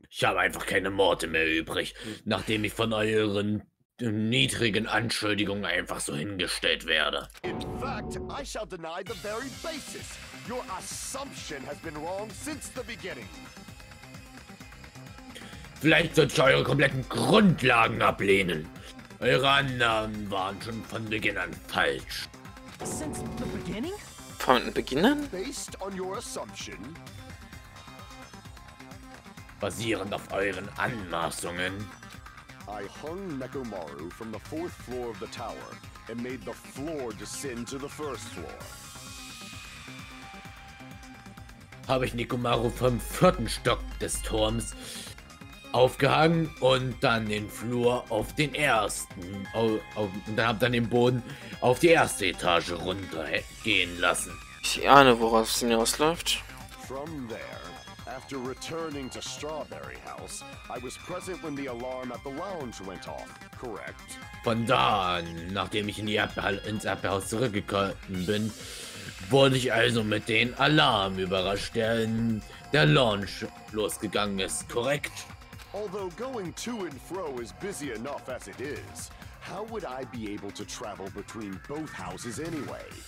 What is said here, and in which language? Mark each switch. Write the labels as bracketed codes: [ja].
[de] Ich habe einfach keine Worte mehr übrig, nachdem ich von euren niedrigen Anschuldigungen einfach so hingestellt werde. [en] In fact, I shall deny the very basis. Your assumption has been wrong since the beginning. [de] Vielleicht sollte ich eure kompletten Grundlagen ablehnen. Eure Annahmen waren schon von Beginn an falsch. [en] Since the beginning? [de] Von Beginn an? [en] Based on your assumption. [de] Basierend auf euren Anmaßungen. [en] I hung Nekomaru from the fourth floor of the tower and made the floor descend to the first floor. [de] Habe ich Nekomaru vom vierten Stock des Turms aufgehangen und dann den Flur auf den ersten. Und dann den Boden auf die erste Etage runtergehen lassen. Ich ahne, worauf es hinausläuft. [en] From there. After returning to Strawberry House, I was present when the alarm at the lounge went off, correct? [de] Von da an, nachdem ich ins Erdbeerhaus zurückgekommen bin, wurde ich also mit dem Alarm überrascht, der in der Lounge losgegangen ist, korrekt? [en] Although going to and fro is busy enough as it is, how would I be able to travel between both houses anyway?